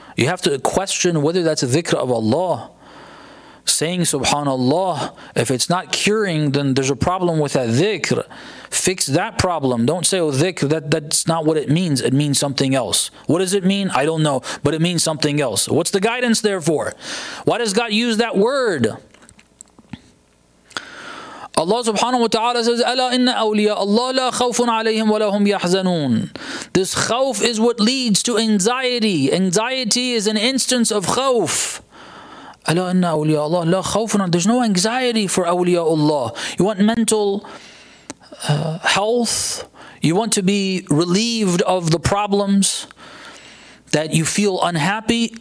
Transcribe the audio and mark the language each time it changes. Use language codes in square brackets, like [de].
[en] You have to question whether that's a dhikr of Allah. Saying subhanallah, if it's not curing, then there's a problem with that dhikr. Fix that problem. Don't say, oh dhikr, that's not what it means. It means something else. What does it mean? I don't know, but it means something else. What's the guidance there for? Why does God use that word? [ar] Allah subhanahu wa ta'ala says, أَلَا إِنَّ أَوْلِيَا اللَّهُ لَا خَوْفٌ عَلَيْهِمْ وَلَا هُمْ يَحْزَنُونَ. [en] This khawf is what leads to anxiety. Anxiety is an instance of khawf. [ar] أَلَا إِنَّ أَوْلِيَا اللَّهُ لَا خَوْفٌ. [en] There's no anxiety for awliyaullah. You want mental health? You want to be relieved of the problems that you feel unhappy?